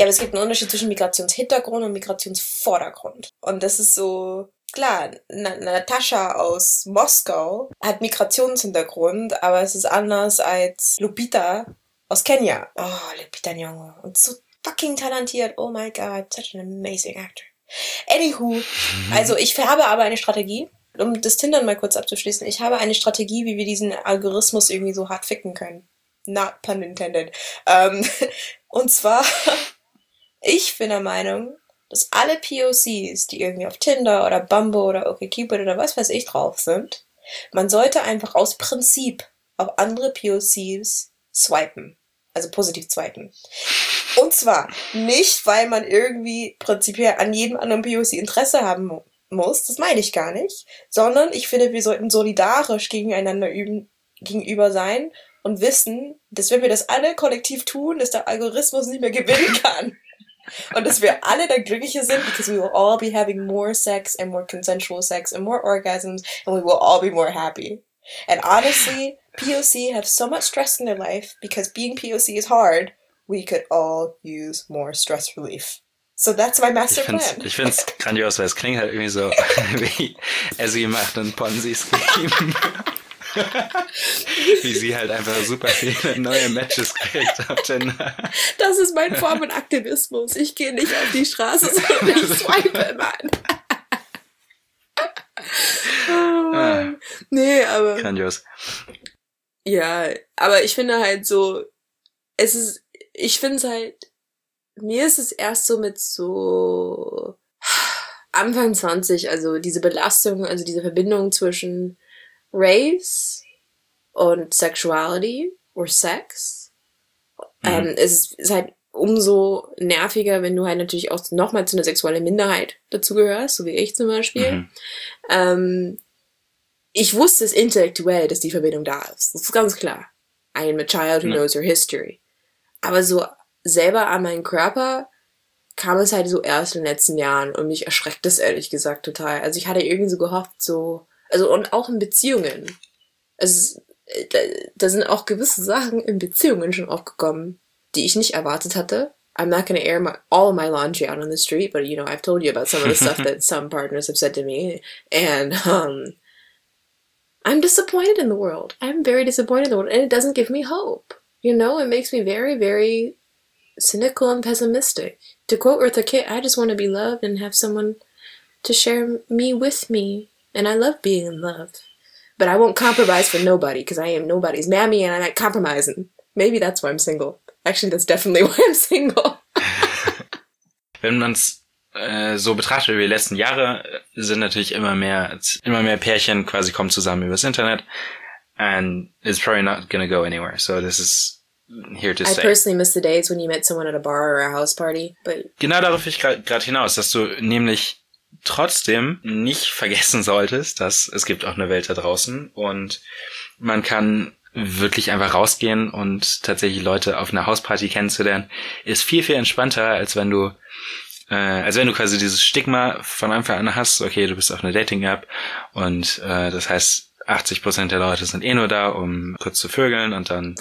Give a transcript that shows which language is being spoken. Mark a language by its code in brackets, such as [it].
[de] Ja, aber es gibt einen Unterschied zwischen Migrationshintergrund und Migrationsvordergrund. Und das ist so, klar, Natascha aus Moskau hat Migrationshintergrund, aber es ist anders als Lupita aus Kenia. Oh, Lupita Nyong'o. Und so fucking talentiert. [en] Oh my God, such an amazing actor. Anywho, [de] also ich habe aber eine Strategie. Um das Tindern mal kurz abzuschließen, ich habe eine Strategie, wie wir diesen Algorithmus irgendwie so hart ficken können. [en] Not pun intended. [de] Und zwar, ich bin der Meinung, dass alle POCs, die irgendwie auf Tinder oder Bumble oder OkCupid oder was weiß ich drauf sind, man sollte einfach aus Prinzip auf andere POCs swipen. Also positiv swipen. Und zwar nicht, weil man irgendwie prinzipiell an jedem anderen POC Interesse haben muss, das meine ich gar nicht, sondern ich finde, wir sollten solidarisch gegenüber sein und wissen, dass wenn wir das alle kollektiv tun, dass der Algorithmus nicht mehr gewinnen kann. Und dass wir alle dann glücklicher sind, [en] because we will all be having more sex and more consensual sex and more orgasms and we will all be more happy. And honestly, POC have so much stress in their life because being POC is hard. We could all use more stress relief. So that's my master plan. [de] Ich finde es grandios, weil es klingt halt irgendwie so wie Ezzy macht ein Ponzi-Scheme. Wie sie halt einfach super viele neue Matches kriegt auf Tinder. Das ist mein Form von Aktivismus. Ich gehe nicht auf die Straße, sondern ich swipe, Mann. Oh, Mann. Nee, aber... Grandios. Ja, aber ich finde halt so, es ist, ich finde es halt, mir ist es erst so mit so Anfang 20, also diese Belastung, also diese Verbindung zwischen Race und Sexuality [en] or Sex, [de] es ist halt umso nerviger, wenn du halt natürlich auch nochmal zu einer sexuellen Minderheit dazugehörst, so wie ich zum Beispiel. Mhm. Ich wusste es intellektuell, dass die Verbindung da ist. Das ist ganz klar. [en] I am a child who knows your history. [de] Aber so selber an meinen Körper kam es halt so erst in den letzten Jahren und mich erschreckt es ehrlich gesagt total. Also ich hatte irgendwie so gehofft, so, also und auch in Beziehungen. Also da sind auch gewisse Sachen in Beziehungen schon aufgekommen, die ich nicht erwartet hatte. [en] I'm not gonna air all my laundry out on the street, but you know, I've told you about some of the stuff that some partners have said to me. And I'm disappointed in the world. I'm very disappointed in the world. And it doesn't give me hope. You know, it makes me very, very cynical and pessimistic. To quote Eartha Kitt, I just want to be loved and have someone to share me with me. And I love being in love. But I won't compromise for nobody, because I am nobody's mammy and I'm not compromising. Maybe that's why I'm single. Actually, that's definitely why I'm single. [de] Wenn man es so betrachtet wie die letzten Jahre, sind natürlich immer mehr Pärchen quasi kommen zusammen übers Internet. [en] And it's probably not gonna go anywhere. So this is here to stay. I personally miss the days when you met someone at a bar or a house party. But [de] genau darauf will ich gerade hinaus, dass du nämlich trotzdem nicht vergessen solltest, dass es gibt auch eine Welt da draußen und man kann wirklich einfach rausgehen und tatsächlich Leute auf einer Hausparty kennenzulernen, ist viel, viel entspannter, als wenn du quasi dieses Stigma von Anfang an hast, okay, du bist auf einer Dating-App und das heißt, 80% der Leute sind eh nur da, um kurz zu vögeln und dann...